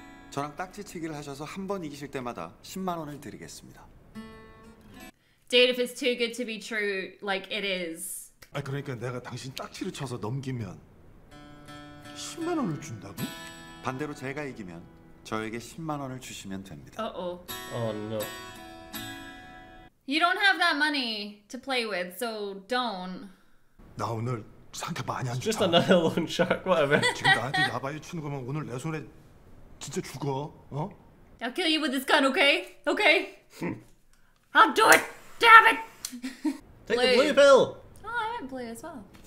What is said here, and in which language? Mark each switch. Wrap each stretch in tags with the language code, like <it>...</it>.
<ko>저랑 딱지치기를 하셔서 한 번 이기실 때마다 10만 원을 드리겠습니다.</ko> <en>Dude, if it's too good to be true, like it is.</en> <ko>아 그러니까 내가 당신 딱지를 쳐서 넘기면 10만 원을 준다고? 반대로 제가 이기면 저에게 10만 원을 주시면 됩니다.</ko> <en>Uh-oh. Oh no. You don't have that money to play with, so don't.</en> <ko>나 오늘 상태 많이 안 좋다.</ko> <en>Just another loan shark, whatever.</en> <ko>지금 나한테 야바이 치는 거면 오늘 내 손에 진짜 죽어, 어?</ko> <en>I'll kill you with this gun, okay? Okay. I'll do it. Damn it. Take blue. The blue pill. Oh, I went blue as well.</en>